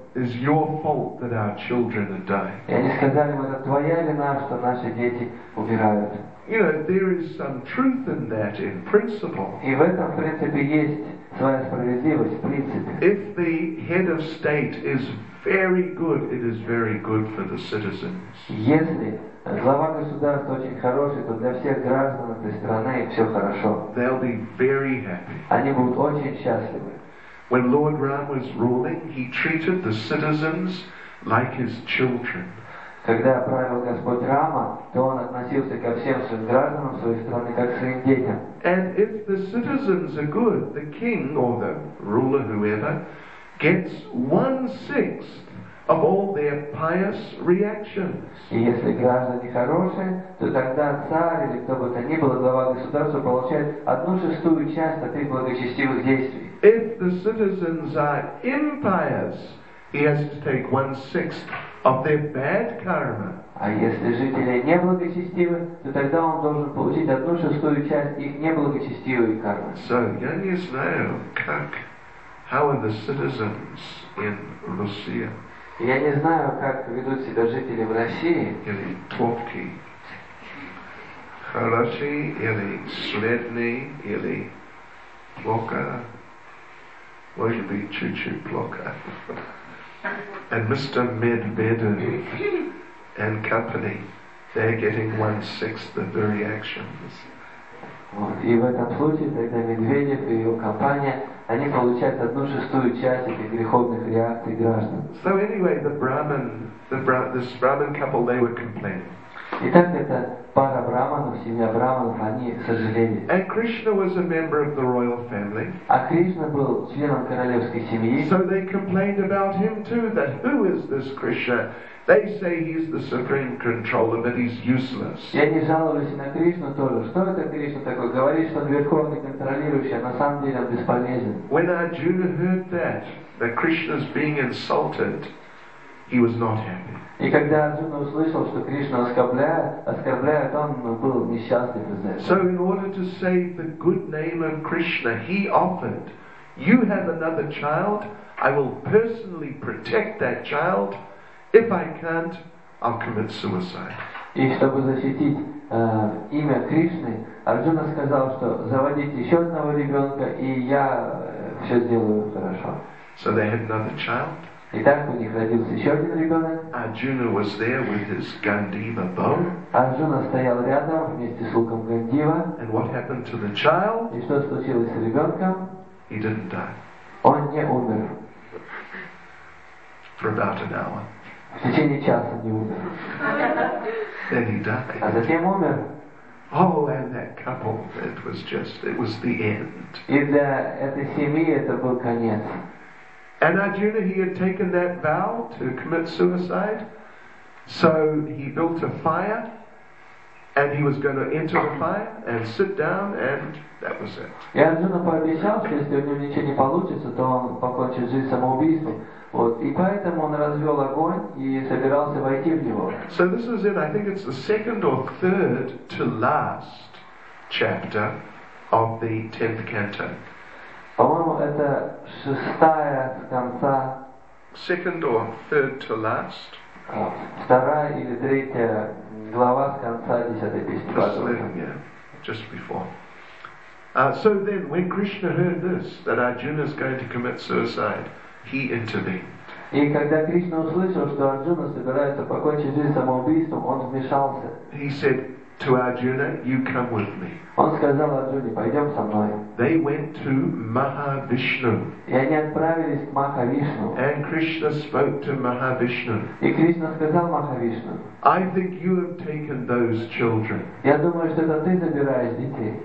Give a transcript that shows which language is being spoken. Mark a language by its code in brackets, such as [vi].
[en] It's your fault that our children are dying. [ru] И они сказали ему, это твоя вина, что наши дети умирают. [en] You know, there is some truth in that in principle. [ru] И в этом, в принципе, есть своя справедливость, в принципе. [en] If the head of state is very good, it is very good for the citizens. [ru] Если глава государства очень хороший, то для всех граждан этой страны все хорошо. [en] They'll be very happy. [ru] Они будут очень счастливы. [en] When Lord Ram was ruling, he treated the citizens like his children. [ru] Когда правил Господь Рама, то он относился ко всем своим гражданам своей страны как к своим детям. [en] And if the citizens are good, the king or the ruler, whoever, gets 1/6 of all their pious reactions. [ru] И если граждане хорошие, то тогда царь или кто бы то ни был, глава государства, получает 1/6 часть от их благочестивых действий. [en] If the citizens are impious, he has to take 1/6 of their bad karma. [ru] А если жители неблагочестивы, то тогда он должен получить 1/6 часть их неблагочестивой кармы. [en] So, [ru] я не знаю, как, [en] how are the citizens in Russia? [ru] Я не знаю, как ведут себя жители в России. Или топки, хороши, или средни, или плохо. Может быть, чуть-чуть плохо. [en] And Mr. Medvedev and company, they're getting 1/6 of the reactions. [ru] И в этом случае, тогда Медведев и его компания, они получают 1/6 часть этих греховных реакций граждан. [en] So anyway, this Brahmin couple, they were complaining. [ru] Итак, это пара брахманов, семья брахманов, они сожалели. [en] And Krishna was a member of the royal family. [ru] А Кришна был членом королевской семьи. [en] So they complained about him too, that who is this Krishna? They say he's the supreme controller, but he's useless. [ru] И они жаловались на Кришну тоже. Что это Кришна такой? Говорит, что он верховный контролирующий, а на самом деле он бесполезен. [en] When Arjuna heard that Krishna's being insulted, he was not happy. [ru] И когда Арджуна услышал, что Кришна оскорбляет, он был несчастлив из-за этого. [en] So in order to save the good name of Krishna, he offered, you have another child, I will personally protect that child. If I can't, I'll commit suicide. [ru] И чтобы защитить имя Кришны, Арджуна сказал, что заводите еще одного ребенка, и я все сделаю хорошо. [en] So they had another child. [ru] Итак, у них родился еще один ребенок. [en] Arjuna was there with his Gandiva bow. [ru] Arjuna стоял рядом вместе с луком Гандива. [en] And what happened to the child? [ru] И что случилось с ребенком? [en] He didn't die. [ru] Он не умер. [en] For about an hour. [ru] В течение часа не умер. [en] Then he died. [ru] А затем умер. [en] Oh, and that couple, it was the end. [ru] И для этой семьи это был конец. [en] And Arjuna, he had taken that vow to commit suicide. So he built a fire, and he was going to enter the fire and sit down, and that was it. [ru] И Арджуна пообещал, что если у него ничего не получится, то он покончит жизнь самоубийством. Вот. И поэтому он развел огонь и собирался войти в него. [en] So this is it. I think it's the second or third to last chapter of the 10th canto. [ru] По-моему, это шестая с конца. [en] Second or third to last. [ru] Вторая или третья глава с конца десятой песни. [en] Just before. So then, when Krishna heard this, that Arjuna is going to commit suicide, he intervened. [ru] И когда Кришна услышал, что Арджуна собирается покончить жизнь самоубийством, он вмешался. [en] He said to Arjuna, "You come with me." [ru] Он сказал Арджуне, пойдем со мной. [en] They went to Mahavishnu. [ru] И они отправились к Махавишну. [en] And Krishna spoke to Mahavishnu. [ru] И Кришна сказал Махавишну. [en] I think you have taken those children. [ru] Я думаю, что это ты забираешь детей.